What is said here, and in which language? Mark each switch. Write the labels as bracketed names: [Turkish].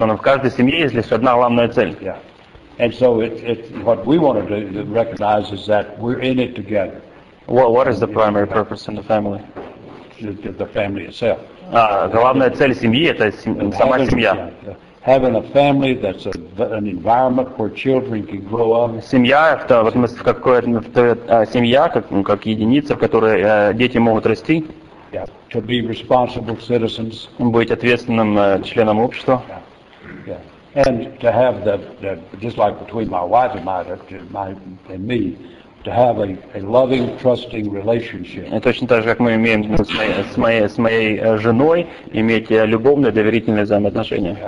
[Russian] В каждой семье есть лишь одна главная цель. [English] And so what we want to recognize is that we're in it together. Well, what is the primary purpose in the family? The family itself. [Russian] Главная цель семьи – это сама семья. [English] Having a family that's an environment where children can grow up. [Russian] Семья это вот семья как единица, в которой дети могут расти. [English] Yeah. To be responsible citizens. [Russian] Быть ответственным членом общества. [English] Yeah. And to have the just like between my wife and my and me, to have a loving, trusting relationship. [Russian] И точно так же, как мы имеем с моей женой, иметь любовные, доверительные взаимоотношения.